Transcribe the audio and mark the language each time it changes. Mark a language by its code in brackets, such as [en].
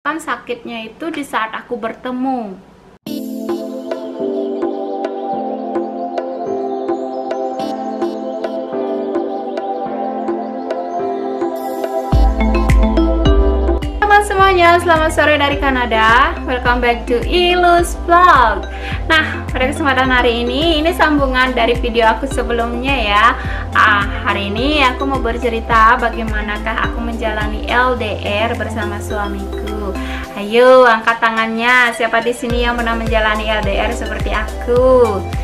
[id] Kan sakitnya itu di saat aku bertemu. Selamat semuanya, selamat sore dari Kanada. [en] Welcome back to Ilu's Vlog. [id] Nah, pada kesempatan hari ini sambungan dari video aku sebelumnya ya. Hari ini aku mau bercerita bagaimanakah aku menjalani LDR bersama suamiku. Ayo angkat tangannya, siapa di sini yang pernah menjalani LDR seperti aku?